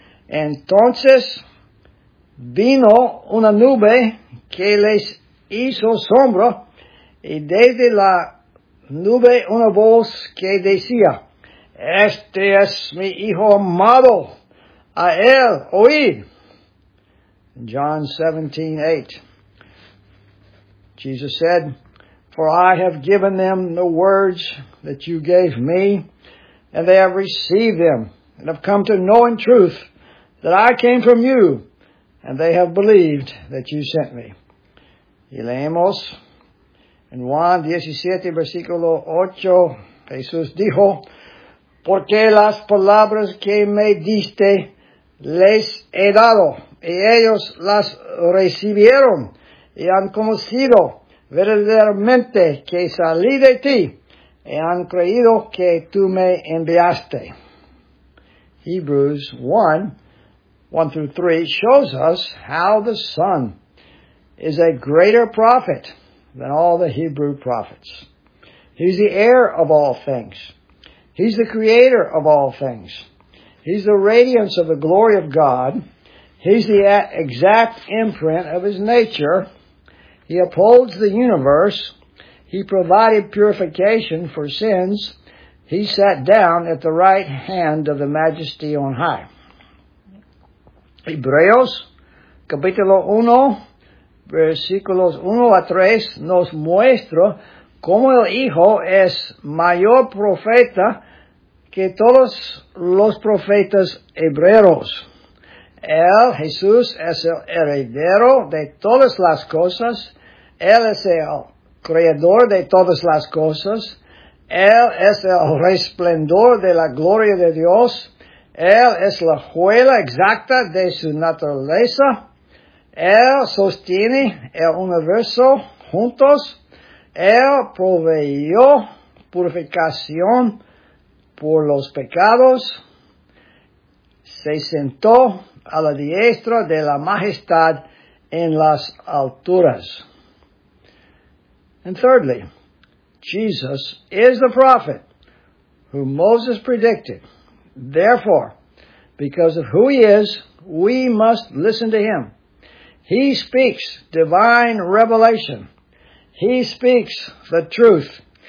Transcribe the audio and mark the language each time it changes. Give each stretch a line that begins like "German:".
Spanish: Entonces vino una nube que les hizo sombra, y desde la nube una voz que decía, este es mi Hijo amado, a él oíd.
English: John 17:8. Jesus said, for I have given them the words that you gave me, and they have received them, and have come to know in truth that I came from you, and they have believed that you sent me.
Spanish: Y leemos en Juan 17:8, Jesús dijo, porque las palabras que me diste les he dado, y ellos las recibieron, y han conocido verdaderamente que salí de ti, y han creído que tú me enviaste. Hebrews 1,
English: 1 through 3 shows us how the Son is a greater prophet than all the Hebrew prophets. He's the heir of all things. He's the creator of all things. He's the radiance of the glory of God. He's the exact imprint of His nature. He upholds the universe. He provided purification for sins. He sat down at the right hand of the Majesty on high.
Spanish: Hebreos, capítulo 1, versículos 1 a 3, nos muestra cómo el Hijo es mayor profeta que todos los profetas hebreos. Él, Jesús, es el heredero de todas las cosas. Él es el creador de todas las cosas. Él es el resplandor de la gloria de Dios. Él es la huella exacta de su naturaleza. Él sostiene el universo juntos. Él proveyó purificación por los pecados. Se sentó a la diestra de la majestad en las alturas.
English: And thirdly, Jesus is the prophet whom Moses predicted. Therefore, because of who he is, we must listen to him. He speaks divine revelation. He speaks the truth.